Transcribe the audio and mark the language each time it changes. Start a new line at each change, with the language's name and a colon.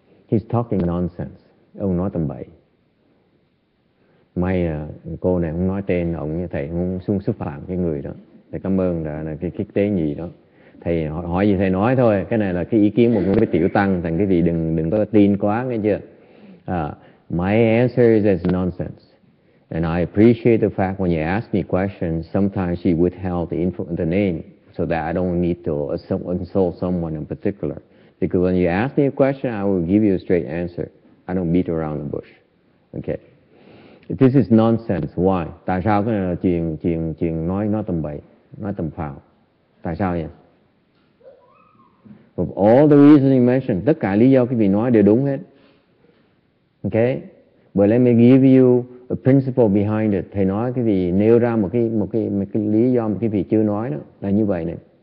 English: He's talking nonsense.
Vietnamese: Ông nói tầm bậy. May cô này không nói tên ông, như thầy không xung xúc phạm cái người đó. Thầy cảm ơn là cái kích tế gì đó. Thầy hỏi gì thầy nói thôi. Cái này là cái ý kiến một cái tiểu tăng. Thành cái gì đừng có tin quá, nghe chưa?
English: My answer is it's nonsense. And I appreciate the fact when you ask me questions, sometimes she withheld the info, the name, so that I don't need to insult someone in particular. Because when you ask me a question, I will give you a straight answer. I don't beat around the bush. Okay. This is nonsense. Why?
Vietnamese: Tại sao cái này là chuyện nói tầm bậy, nói tầm phào? Tại sao vậy?
English: Of all the reasons you mentioned,
Vietnamese: tất cả lý do quý vị nói đều đúng hết.
English: Okay. But let me give you a principle behind it.
Vietnamese: Thầy nói cái gì nêu ra một cái lý do mà cái vị chưa nói đó là như vậy này.